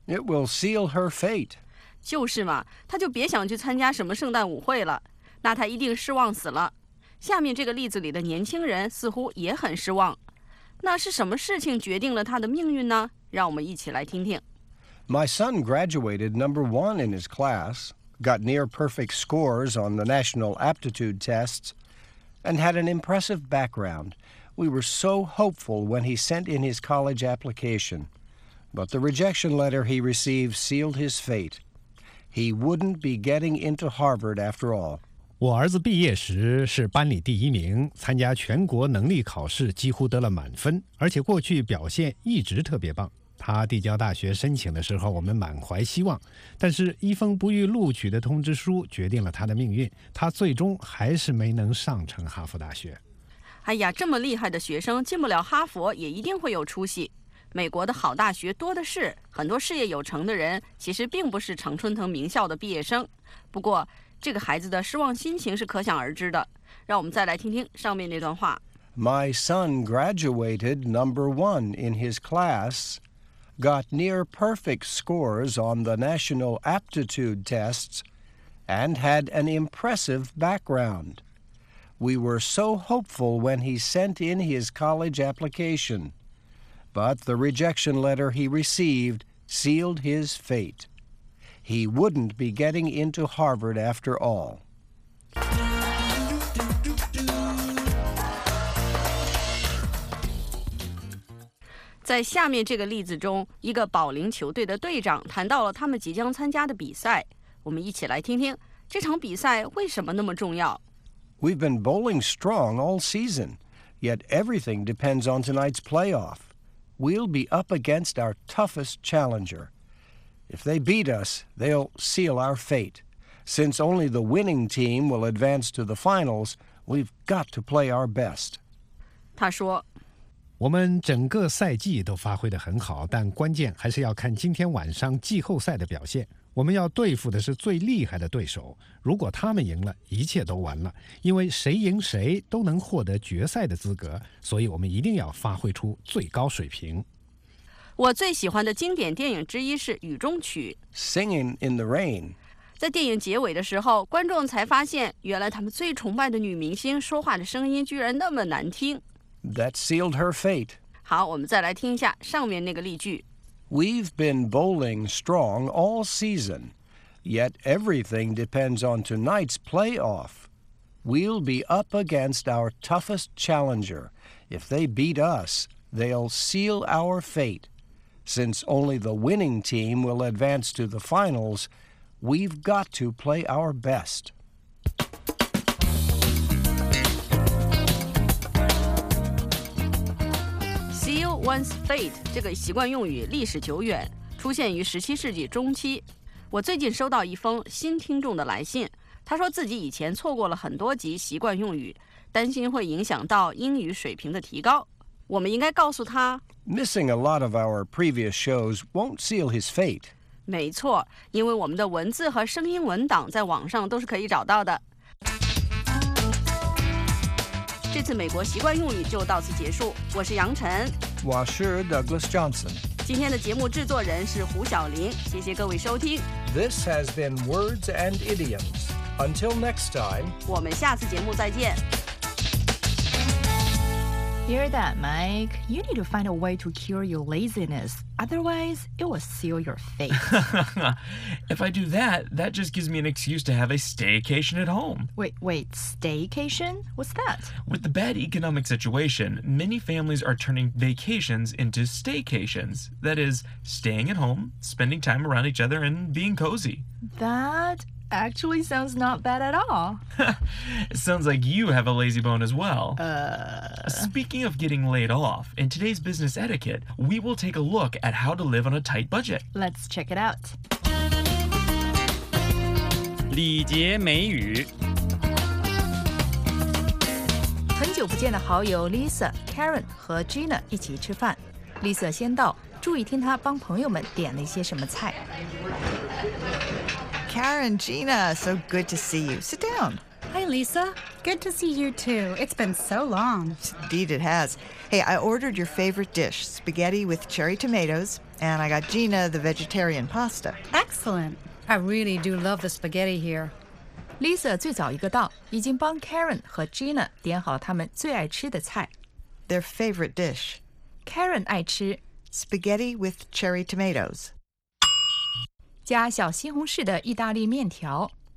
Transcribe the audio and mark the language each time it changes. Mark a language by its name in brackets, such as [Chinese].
[English] ,It will seal her fate. [Chinese] 就是嘛，他就别想去参加什么圣诞舞会了，那他一定失望死了。下面这个例子里的年轻人似乎也很失望，那是什么事情决定了他的命运呢？让我们一起来听听。 [English] My son graduated number one in his class, got near perfect scores on the national aptitude tests, and had an impressive background. We were so hopeful when he sent in his college application. But the rejection letter he received sealed his fate. He wouldn't be getting into Harvard after all. [Chinese] 我儿子毕业时是班里第一名，参加全国能力考试几乎得了满分，而且过去表现一直特别棒。他递交大学申请的时候，我们满怀希望，但是一封不予录取的通知书决定了他的命运，他最终还是没能上成哈佛大学。哎呀，这么厉害的学生进不了哈佛也一定会有出息。美国的好大学多的是，很多事业有成的人其实并不是常春藤名校的毕业生。不过这个孩子的失望心情是可想而知的，让我们再来听听上面那段话。 [English] My son graduated number one in his class, got near perfect scores on the national aptitude tests, and had an impressive background. We were so hopeful when he sent in his college application. But the rejection letter he received sealed his fate. He wouldn't be getting into Harvard after all. [Chinese] 在下面这个例子中，一个保龄球队的队长谈到了他们即将参加的比赛。我们一起来听听这场比赛为什么那么重要。 [English] We've been bowling strong all season, yet everything depends on tonight's playoff.We'll be up against our toughest challenger. If they beat us, they'll seal our fate. Since only the winning team will advance to the finals, we've got to play our best. [Chinese] 他说，我们整个赛季都发挥得很好，但关键还是要看今天晚上季后赛的表现。我们要对付的是最厉害的对手，如果他们赢了，一切都完了，因为谁赢谁都能获得决赛的资格，所以我们一定要发挥出最高水平。我最喜欢的经典电影之一是《雨中曲》 [English] Singing in the Rain。 [Chinese] 在电影结尾的时候，观众才发现，原来他们最崇拜的女明星说话的声音居然那么难听。 [English] That sealed her fate. [Chinese] 好，我们再来听一下上面那个例句。 [English] We've been bowling strong all season, yet everything depends on tonight's playoff. We'll be up against our toughest challenger. If they beat us, they'll seal our fate. Since only the winning team will advance to the finals, we've got to play our best. One's fate [Chinese] 这个习惯用语历史久远，出现于17世纪中期。我最近收到一封新听众的来信，他说自己以前错过了很多集习惯用语，担心会影响到英语水平的提高。我们应该告诉他 [English] Missing a lot of our previous shows won't seal his fate. [Chinese] 没错，因为我们的文字和声音文档在网上都是可以找到的。这次美国习惯用语就到此结束，我是杨晨。我是 Douglas Johnson。今天的节目制作人是胡晓林，谢谢各位收听。 [English] This has been Words and Idioms. Until next time, [Chinese] 我们下次节目再见。 [English] Hear that, Mike? You need to find a way to cure your laziness. Otherwise, it will seal your fate. If I do that, that just gives me an excuse to have a staycation at home. Wait, staycation? What's that? With the bad economic situation, many families are turning vacations into staycations. That is, staying at home, spending time around each other, and being cozy. That actually sounds not bad at all. It sounds like you have a lazy bone as well. Speaking of getting laid off, in today's business etiquette, we will take a look at how to live on a tight budget. Let's check it out. [Chinese] 礼节美语。很久不见的好友 Lisa, Karen 和 Gina 一起吃饭。 Lisa 先到，注意听她帮朋友们点了一些什么菜。 [English] Karen, Gina, so good to see you. Sit down. Hi, Lisa. Good to see you, too. It's been so long. Indeed it has. Hey, I ordered your favorite dish, spaghetti with cherry tomatoes, and I got Gina the vegetarian pasta. Excellent. I really do love the spaghetti here. [Chinese] Lisa 最早一个到，已经帮 Karen 和 Gina 点好他们最爱吃的菜。 [English] Their favorite dish. [Chinese] Karen 爱吃 [English] spaghetti with cherry tomatoes. [Chinese] 加小西红柿的意大利面条。